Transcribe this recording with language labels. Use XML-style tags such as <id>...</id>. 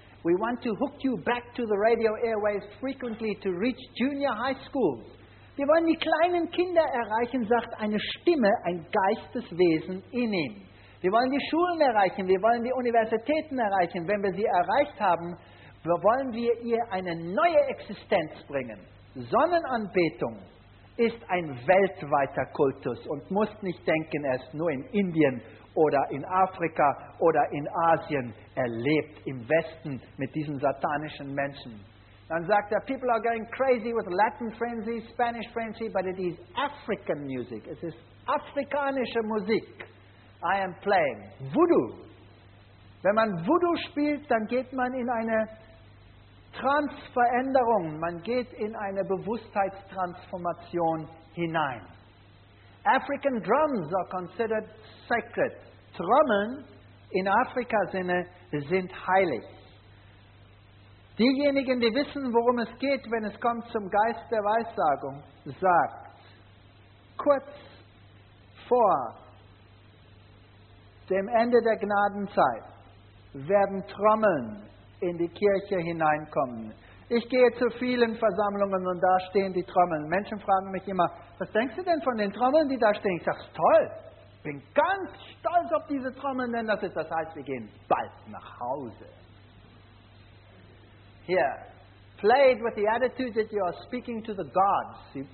<en>We want to hook you back to the radio airwaves frequently to reach junior high schools.</en> <de>Wir wollen die kleinen Kinder erreichen, sagt eine Stimme, ein Geisteswesen in ihm. Wir wollen die Schulen erreichen, wir wollen die Universitäten erreichen. Wenn wir sie erreicht haben, wollen wir ihr eine neue Existenz bringen. Sonnenanbetung ist ein weltweiter Kultus und muss nicht denken, er ist nur in Indien oder in Afrika oder in Asien erlebt, im Westen mit diesen satanischen Menschen. Dann sagt er,</de> <en>people are going crazy with Latin frenzy, Spanish frenzy, but it is African music.</en> <de>Es ist afrikanische Musik.</de> <en>I am playing Voodoo.</en> <de>Wenn man Voodoo spielt, dann geht man in eine Transveränderung. Man geht in eine Bewusstheitstransformation hinein.</de> <en>African drums are considered sacred.</en> <de>Trommeln in Afrika-Sinne sind heilig. Diejenigen, die wissen, worum es geht, wenn es kommt zum Geist der Weissagung, sagt, kurz vor dem Ende der Gnadenzeit werden Trommeln in die Kirche hineinkommen. Ich gehe zu vielen Versammlungen und da stehen die Trommeln. Menschen fragen mich immer, was denkst du denn von den Trommeln, die da stehen? Ich sage, toll, bin ganz stolz auf diese Trommeln, denn das ist, das heißt, wir gehen bald nach Hause.</de> <en>Here, play it with the attitude that you are speaking to the gods.</en>